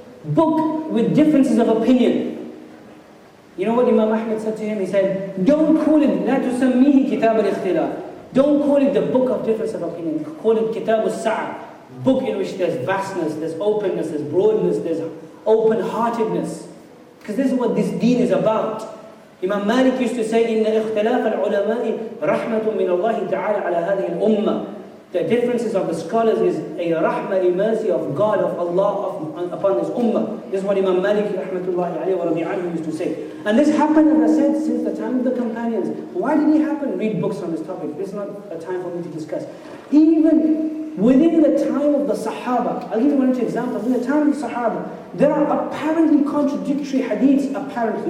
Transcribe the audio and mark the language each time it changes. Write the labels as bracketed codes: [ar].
[en] Book with differences of opinion. You know what Imam Ahmad said to him? He said, don't call it, [ar] لا تسميه كتاب الاختلاف. [en] Don't call it the book of difference of opinion. Call it [ar] كتاب الساعة. [en] Book in which there's vastness, there's openness, there's broadness, there's open-heartedness. Because this is what this deen is about. Imam Malik used to say, [ar] إِنَّ اِخْتَلَافَ الْعُلَمَاءِ رَحْمَةٌ مِّنَ اللَّهِ تَعَالَى عَلَى هَذِهِ الْأُمَّةِ. [en] The differences of the scholars is a rahmah, a mercy of God, of Allah upon his ummah. This is what Imam Malik rahmatullahi alayhi wa radhi anhu used to say. And this happened, as I said, since the time of the companions. Why did it happen? Read books on this topic. This is not a time for me to discuss. Even within the time of the Sahaba, I'll give you one or two examples. In the time of the Sahaba, there are apparently contradictory hadiths, apparently.